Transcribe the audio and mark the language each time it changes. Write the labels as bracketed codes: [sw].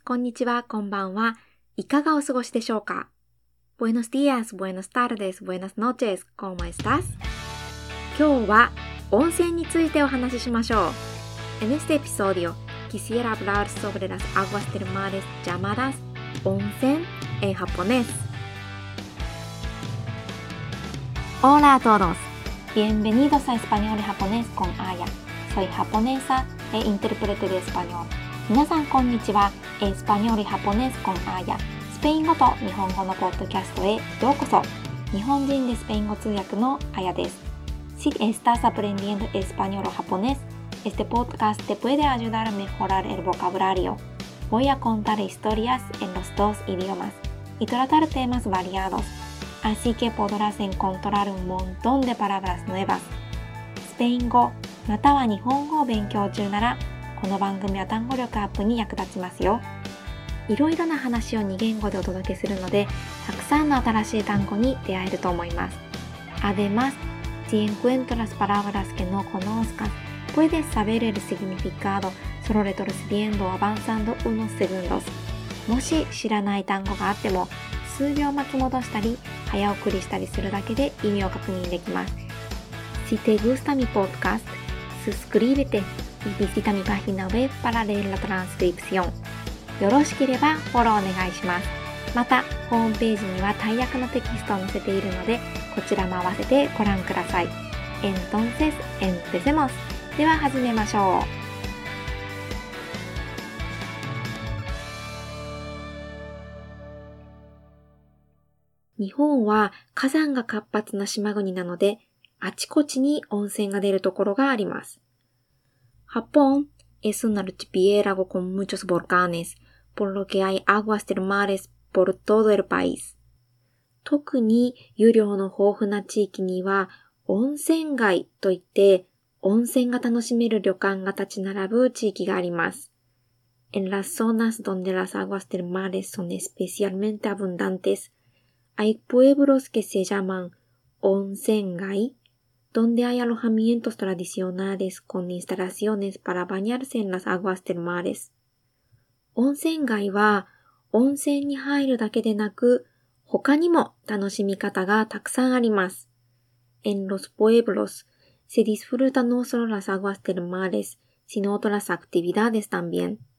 [ja] こんにちは、こんばんは。いかがお過ごしでしょうか。 [es] Buenos días, buenas tardes, buenas noches, ¿cómo estás? [ja] 今日は温泉についてお話ししましょう。 [es] En este episodio, quisiera hablar sobre las aguas termales llamadas 温泉 en japonés. Hola a todos. Bienvenidos a Español y Japonés con Aya. Soy japonesa e intérprete de español. [ja] 皆さんこんにちは。エスパニョールハポネスコンアーヤ、スペイン語と日本語のポッドキャストへようこそ。日本人でスペイン語通訳のアヤです。 [es] Si estás aprendiendo español o japonés, este podcast te puede ayudar a mejorar el vocabulario. Voy a contar historias en los dos idiomas y tratar temas variados, así que podrás encontrar un montón de palabras nuevas. [ja] スペイン語または日本語を勉強中なら、この番組は単語力アップに役立ちますよ。いろいろな話を2言語でお届けするので、たくさんの新しい単語に出会えると思います。 [es] Además, si encuentras palabras que no conozcas, puedes saber el significado solo retrocediendo avanzando unos segundos. [ja] もし知らない単語があっても、数秒巻き戻したり、早送りしたりするだけで意味を確認できます。 [es] Si te gusta mi podcast, suscríbete. Visita mi página web para leer la transcripción. [ja] よろしければフォローお願いします。また、ホームページには大訳のテキストを載せているので、こちらも合わせてご覧ください。 [es] Entonces, empecemos! [ja] では始めましょう。日本は火山が活発な島国なので、あちこちに温泉が出るところがあります。 [es] Japón es un archipiélago con muchos volcanes, por lo que hay aguas termales por todo el país. [ja] 特に湯量の豊富な地域には温泉街といって温泉が楽しめる旅館が立ち並ぶ地域があります。 [es] En las zonas donde las aguas termales son especialmente abundantes, hay pueblos que se llaman 温泉街。 Donde hay alojamientos tradicionales con instalaciones para bañarse en las aguas termales. [ja] 温泉街は温泉に入るだけでなく、他にも楽しみ方がたくさんあります。 [es] En los pueblos se disfruta no solo las aguas termales, sino otras actividades también.